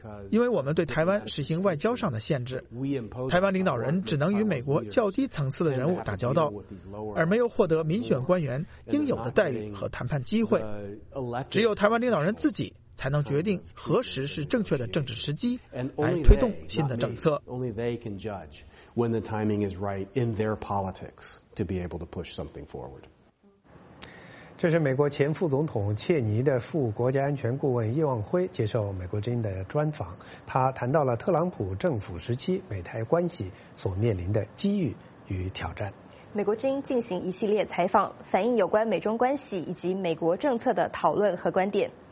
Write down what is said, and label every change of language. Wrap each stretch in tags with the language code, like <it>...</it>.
<zh>因为我们对台湾实行外交上的限制，台湾领导人只能与美国较低层次的人物打交道，而没有获得民选官员应有的待遇和谈判机会，只有台湾领导人自己才能决定何时是正确的政治时机来推动新的政策。</zh> <en>Only they can judge when the timing is right in their politics to be able to push something forward.</en> <zh>这是美国前副总统切尼的副国家安全顾问叶望辉接受美国之音的专访，他谈到了特朗普政府时期美台关系所面临的机遇与挑战。美国之音进行一系列采访，反映有关美中关系以及美国政策的讨论和观点。</zh>